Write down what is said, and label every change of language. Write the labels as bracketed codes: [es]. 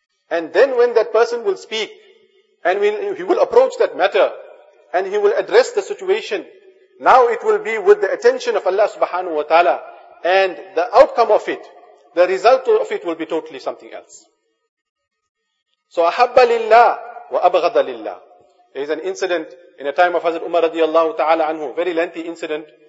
[en] And then when that person will speak, and he will approach that matter, and he will address the situation. Now it will be with the attention of Allah subhanahu wa ta'ala, and the outcome of it, the result of it will be totally something else. [ar] So, أحب لله وأبغض لله. [en] There is an incident in a time of Hazrat Umar radiallahu ta'ala anhu, very lengthy incident.